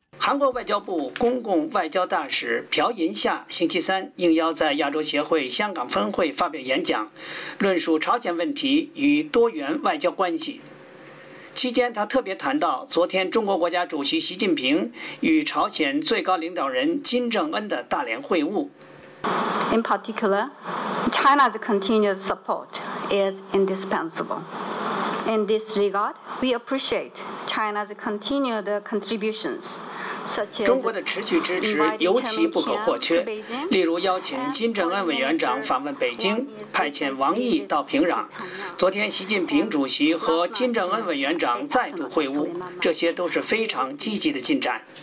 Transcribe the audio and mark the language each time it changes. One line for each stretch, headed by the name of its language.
Chinese: 韩国外交部公共外交大使朴银夏星期三应邀在亚洲协会香港分会发表演讲，论述朝鲜问题与多元外交关系。期间他特别谈到昨天中国国家主席习近平与朝鲜最高领导人金正恩的大连会晤。
English: In particular, China's continued support is indispensable. In this regard, we appreciate China's continued contributions.
Chinese: 中国的持续支持尤其不可或缺，例如邀请金正恩委员长访问北京，派遣王毅到平壤，昨天习近平主席和金正恩委员长再度会晤，这些都是非常积极的进展。